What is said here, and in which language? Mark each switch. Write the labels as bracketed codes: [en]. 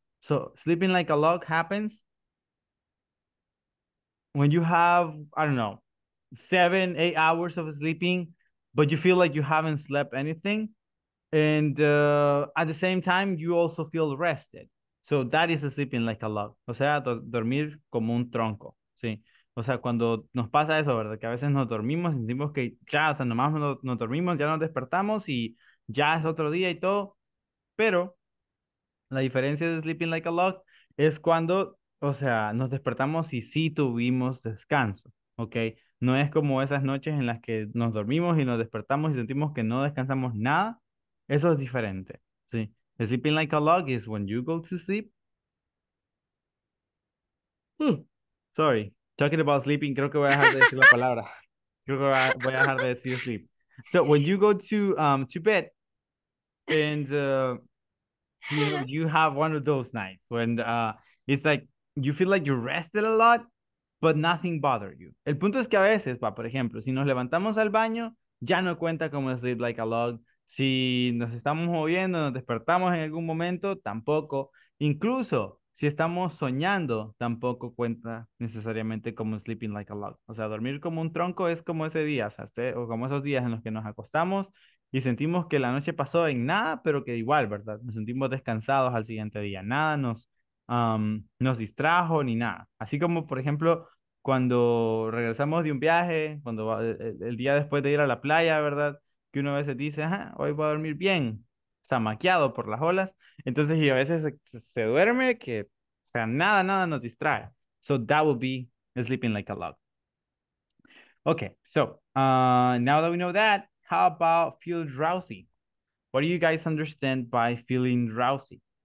[en] So sleeping like a log happens when you have, I don't know, 7-8 hours of sleeping, but you feel like you haven't slept anything. And at the same time, you also feel rested. So that is a sleeping like a log. [es] O sea, dormir como un tronco. Sí. O sea, cuando nos pasa eso, ¿verdad? Que a veces nos dormimos, sentimos que ya, o sea, nomás nos dormimos, ya nos despertamos y ya es otro día y todo. Pero la diferencia de [en] sleeping like a log [es] es cuando, o sea, nos despertamos y sí tuvimos descanso, ¿okay? No es como esas noches en las que nos dormimos y nos despertamos y sentimos que no descansamos nada. Eso es diferente, ¿sí? [en] Sleeping like a log is when you go to sleep. Sorry, talking about sleeping, [es] creo que voy a dejar de decir la palabra. Creo que voy a dejar de decir sleep. [en] So when you go to bed and you have one of those nights when it's like, you feel like you rested a lot, but nothing bothered you. [es] El punto es que a veces, por ejemplo, si nos levantamos al baño, ya no cuenta como [en] sleep like a log. [es] Si nos estamos moviendo, nos despertamos en algún momento, tampoco. Incluso si estamos soñando, tampoco cuenta necesariamente como [en] sleeping like a log. [es] O sea, dormir como un tronco es como ese día, o sea, o como esos días en los que nos acostamos y sentimos que la noche pasó en nada, pero que igual, ¿verdad? Nos sentimos descansados al siguiente día. Nada nos distrajo ni nada. Así como, por ejemplo, cuando regresamos de un viaje, cuando el día después de ir a la playa, ¿verdad? Que uno a veces dice, ajá, hoy voy a dormir bien, zamaqueado por las olas. Entonces, y a veces se duerme que, o sea, nada, nada nos distrae. [en] So that would be sleeping like a log. Okay, so now that we know that, how about feel drowsy? What do you guys understand by feeling drowsy?